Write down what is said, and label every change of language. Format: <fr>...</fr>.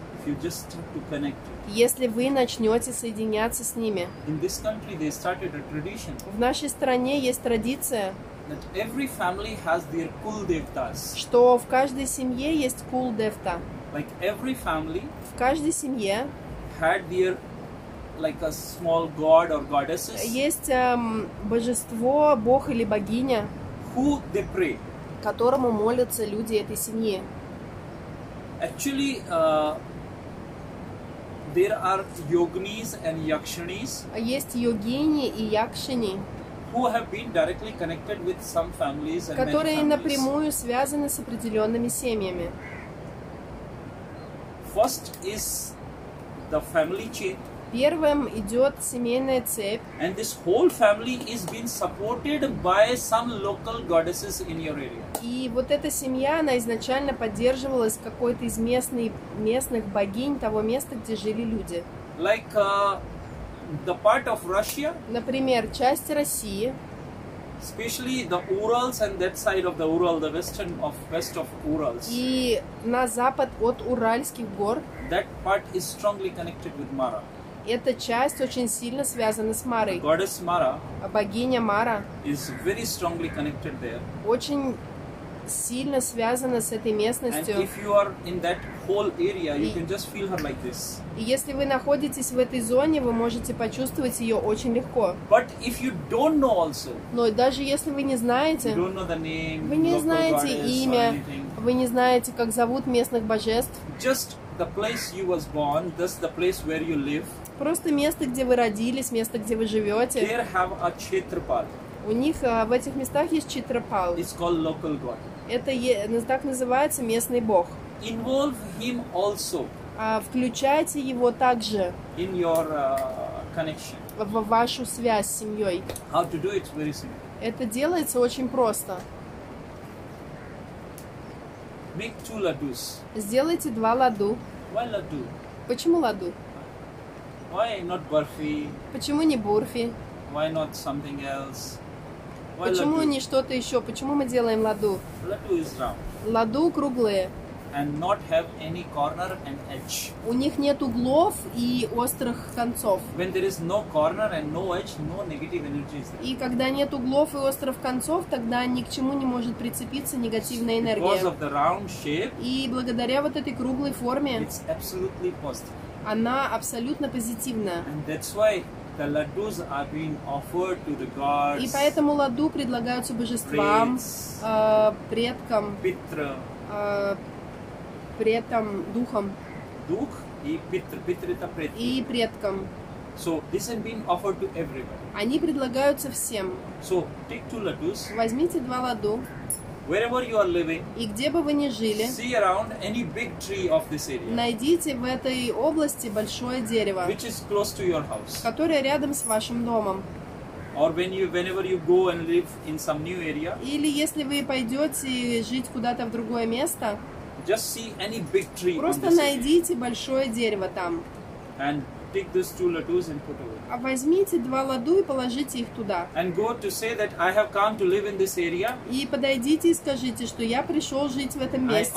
<en>If you just start to connect.</en> <ru>Если вы начнете соединяться с ними.</ru> <en>In this country they started a tradition.</en> <ru>В нашей стране есть традиция.</ru> <en>That every family has their kul devtas.</en> <ru>Что в каждой семье есть кул девта.</ru> <en>Like every family.</en> <ru>В каждой семье.</ru> <en>Had their like a small god or goddesses.</en> <ru>Есть божество, бог или богиня.</ru> <en>Who they pray.</en> <ru>Которому молятся люди этой семьи.</ru> <en>Actually, there are yoginis and yakshinis.</en> <ru>Есть йогини и якшини.</ru> <en>Who have been directly connected with some families and many families.</en> <ru>Которые напрямую связаны с определенными семьями.</ru> <en>First is the family chain.</en> <ru>Первым идет семейная цепь.</ru> <en>And this whole family is being supported by some local goddesses in your area.</en> <ru>И вот эта семья, она изначально поддерживалась какой-то из местных богинь того места, где жили люди.</ru> <en>Like the part of Russia.</en> <ru>Например, часть России.</ru> <en>Especially the Urals and that side of the Ural, the western of west of Urals.</en> <ru>И на запад от Уральских гор.</ru> <en>That part is strongly connected with Mara.</en> <ru>Эта часть очень сильно связана с Марой.</ru> <en>The goddess Mara.</en> <ru>Богиня Мара.</ru> <en>Is very strongly connected there.</en> <ru>Очень сильно связана с этой местностью.</ru> <en>And if you are in that whole area, you can just feel her like this.</en> <ru>И если вы находитесь в этой зоне, вы можете почувствовать ее очень легко.</ru> <en>But if you don't know also,</en> <ru>но даже если вы не знаете,</ru> <en>you don't know the name,</en> <ru>вы не знаете имя, вы не знаете, как зовут местных божеств,</ru> <en>just the place you was born, that's the place where you live,</en> <ru>просто место, где вы родились, место, где вы живете,</ru> <en>there have a Chetrapal.</en> <ru>У них в этих местах есть Chetrapal.</ru> <en>It's called local god.</en> <ru>Это так называется местный бог.</ru> <en>Involve him also.</en> <ru>Включайте его также</ru> <en>in your, connection.</en> <ru>В вашу связь с семьей.</ru> <en>How to do it? Very simple.</en> <ru>Это делается очень просто.</ru> <en>Make two ladus.</en> <ru>Сделайте два ладу.</ru> <en>Why ladu?</en> <ru>Почему ладу?</ru> <en>Why not burfi?</en> <ru>Почему не бурфи?</ru> <en>Why not something else? Why</en> <ru>Почему ладу? Не что-то еще? Почему мы делаем ладу?</ru> <en>Ladu is round.</en> <ru>Ладу круглые.</ru> <en>And not have any corner and edge.</en> <ru>У них нет углов и острых концов.</ru> <en>When there is no corner and no edge, no negative energy is there.</en> <ru>И когда нет углов и острых концов, тогда ни к чему не может прицепиться негативная энергия.</ru> <en>Because of the round shape.</en> <ru>И благодаря вот этой круглой форме.</ru> <en>It's absolutely positive.</en> <ru>Она абсолютно позитивна.</ru> <en>And that's why the ladus are being offered to the gods.</en> <ru>И поэтому ладу предлагаются божествам, предкам. Питра. При этом духом. Дух и питр. Питр это предки. И предкам.</ru> <en>So, this has been offered to everyone.</en> <ru>Они предлагаются всем.</ru> <en>So, take two ladus.</en> <ru>Возьмите два ладу.</ru> <en>Wherever you are living.</en> <ru>И где бы вы ни жили.</ru> <en>See around any big tree of this area.</en> <ru>Найдите в этой области большое дерево.</ru> <en>Which is close to your house.</en> <ru>Которое рядом с вашим домом.</ru> <en>Or when you, whenever you go and live in some new area.</en> <ru>Или если вы пойдете жить куда-то в другое место.</ru> <en>Just see any big tree.</en> <ru>Просто найдите большое дерево там.</ru> <en>And take these two ladus and put away.</en> <ru>А возьмите два ладу и положите их туда.</ru> <en>And go to say that I have come to live in this area.</en> <ru>И подойдите и скажите, что я пришел жить в этом месте.</ru>